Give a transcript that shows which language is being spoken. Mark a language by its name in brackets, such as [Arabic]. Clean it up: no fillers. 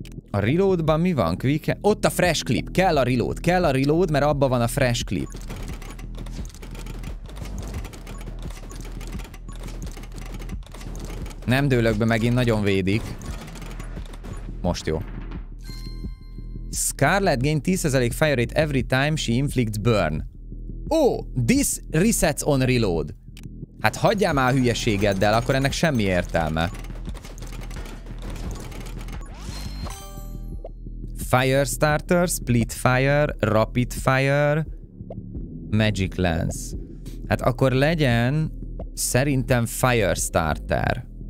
[Hungarian] A reloadban mi van? Ott a fresh clip. Kell a reload, mert abban van a fresh clip. Nem dőlök be, megint nagyon védik. Most jó. [English] Scarlet gain 10% fire rate every time she inflicts burn. Oh, this resets on reload. [Hungarian] Hát hagyjál már a hülyeségeddel, akkor ennek semmi értelme. [English] Firestarter, Splitfire, Rapidfire, Magic Lens. [Hungarian] Hát akkor legyen szerintem Firestarter.